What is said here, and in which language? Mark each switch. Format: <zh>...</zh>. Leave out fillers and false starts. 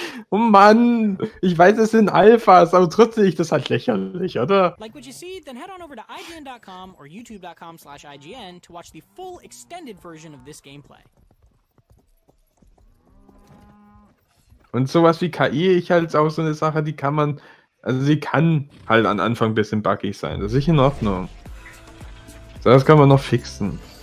<de>Oh Mann, ich weiß, es sind Alphas, aber trotzdem ist das halt lächerlich, oder?</de> <en>Like what you see, then head on over to IGN.com or YouTube.com/IGN to watch the full extended version of this gameplay.</en> <de>Und sowas wie KI, ich halt auch so eine Sache, die kann man, also sie kann halt am Anfang ein bisschen buggy sein. Das ist nicht in Ordnung. Das kann man noch fixen.</de>